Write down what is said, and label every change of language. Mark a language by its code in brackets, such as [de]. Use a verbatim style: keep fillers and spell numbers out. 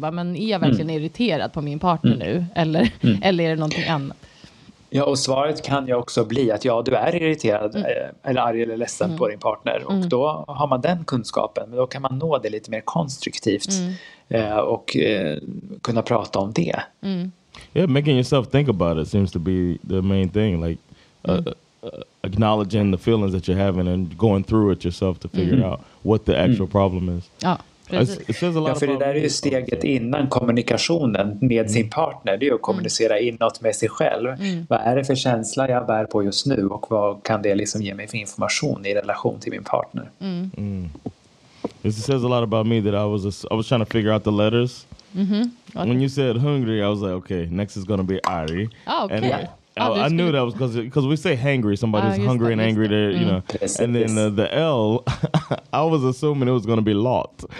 [sv] Bara, men är jag verkligen mm. irriterad på min partner mm. nu? Eller, mm. eller är det någonting annat? Ja, och svaret kan ju också bli att ja, du är irriterad mm. eller arg eller ledsen mm. på din partner. Och mm. då har man den kunskapen, men då kan man nå det lite mer konstruktivt mm. och eh, kunna prata om det. Mm. [en] Yeah, making yourself think about it seems to be the main thing. Like uh, mm. uh, acknowledging the feelings that you're having and going through it yourself to figure mm. out what the actual mm. problem is. [sv] Ja. Ja, för det där är ju steget innan kommunikationen med mm. sin partner. Det är att kommunicera inåt med sig själv. Mm. Vad är det för känsla jag bär på just nu? Och vad kan det liksom ge mig för information i relation till min partner? Mm. Mm. [en] It says a lot about me that I was a, I was trying to figure out the letters. Mm-hmm. Okay. When you said hungry, I was like, okay, next is going to be Ari. Oh, okay. And yeah. I, I knew that was because because we say hangry, somebody's ah, hungry that, and angry there, you mm. know. Yes, and then uh, the L, I was assuming it was going to be lot.